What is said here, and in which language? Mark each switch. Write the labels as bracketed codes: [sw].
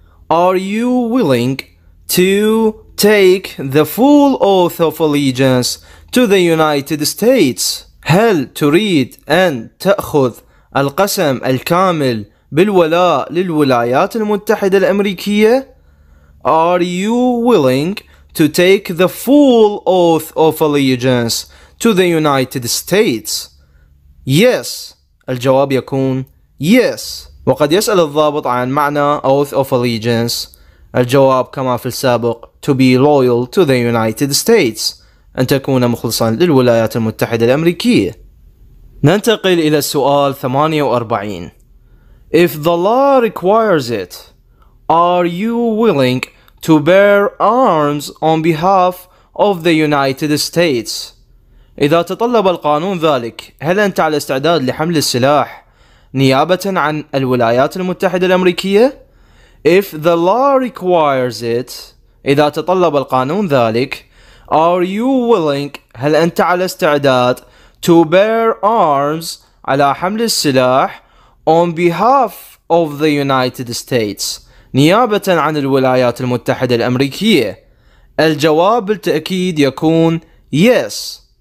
[en] Are you willing to take the full oath of allegiance to the United States? [ar] هل تريد أن تأخذ القسم الكامل بالولاء للولايات المتحدة الأمريكية؟ [en] Are you willing to take the full oath of allegiance to the United States? [ar] Yes. الجواب يكون yes. وقد يسأل الضابط عن معنى oath of allegiance. الجواب كما في السابق [en] to be loyal to the United States. [ar] أن تكون مخلصا للولايات المتحدة الأمريكية. ننتقل إلى السؤال 48. [en] If the law requires it, are you willing to bear arms on behalf of the United States? [ar] إذا تطلب القانون ذلك، هل أنت على استعداد لحمل السلاح نيابة عن الولايات المتحدة الأمريكية؟ [en] If the law requires it, [ar] إذا تطلب القانون ذلك، [en] are you willing, [ar] هل أنت على استعداد [en] to bear arms [ar] على حمل السلاح [en] on behalf of the United States [ar] نيابة عن الولايات المتحدة الأمريكية؟ الجواب بالتأكيد يكون yes.